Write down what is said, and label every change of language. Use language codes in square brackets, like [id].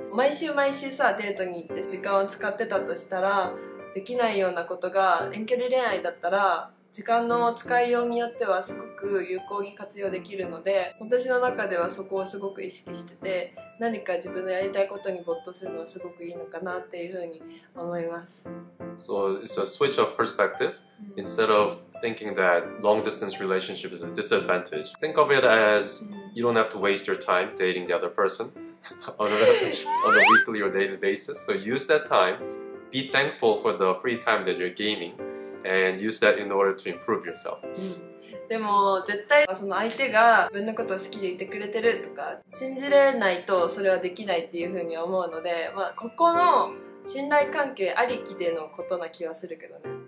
[ja] 毎週毎週さ、デートに行って時間を使ってたとしたら、できないようなことが遠距離恋愛だったら時間の使いようによってはすごく有効に活用できるので、私の中ではそこをすごく意識してて、何か自分のやりたいことに没頭するのはすごくいいのかなっていうふうに思います。 [en] So it's a switch of perspective. Instead of thinking that long distance relationship is a disadvantage, think of it as you don't have to waste your time dating the other person on a weekly or daily basis. So use that time, be thankful for the free time that you're gaining. And use that in order to improve yourself. [ja] でも絶対その相手が自分のことを好きでいてくれてるとか信じれないとそれはできないっていうふうに思うので、まあ、ここの信頼関係ありきでのことな気はするけどね。